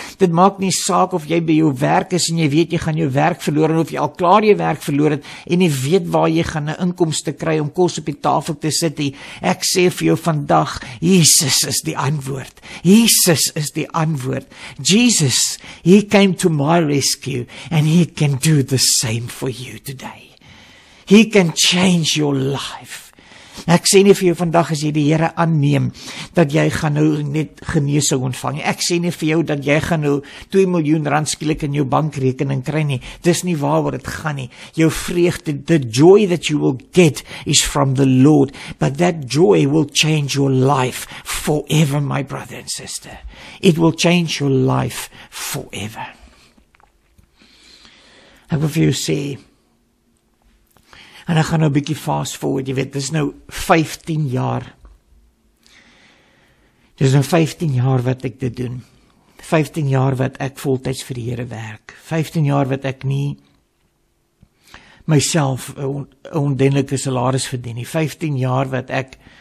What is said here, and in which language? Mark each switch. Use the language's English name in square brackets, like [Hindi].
[Afrikaans] dit maak nie saak of jy by jou werk is en jy weet jy gaan jou werk verloor, en of jy al klaar jou werk verloor het, en jy weet waar jy gaan 'n inkomste kry om kos op die tafel te sit nie, ek sê vir jou vandag, Jesus is die antwoord, Jesus, [English] He came to my rescue, and He can do the same for you today. He can change your life. [Afrikaans] Ek sê nie vir jou vandag as jy die Here aanneem, dat jy gaan nou net genesing ontvang. Ek sê nie vir jou dat jy gaan nou 2 miljoen rand skielik in jou bankrekening kry nie. Dis nie waaroor dit gaan nie. Jou vreugde, [English] the joy that you will get is from the Lord, but that joy will change your life forever, my brother and sister. It will change your life forever. [Afrikaans] Ek wil vir jou sê, en ek gaan nou bykie fast forward, jy weet, dis nou 15 jaar wat ek dit doen, 15 jaar wat ek voltyds vir die Here werk, 15 jaar wat ek nie myself ondenlike salaris verdien nie, 15 jaar wat ek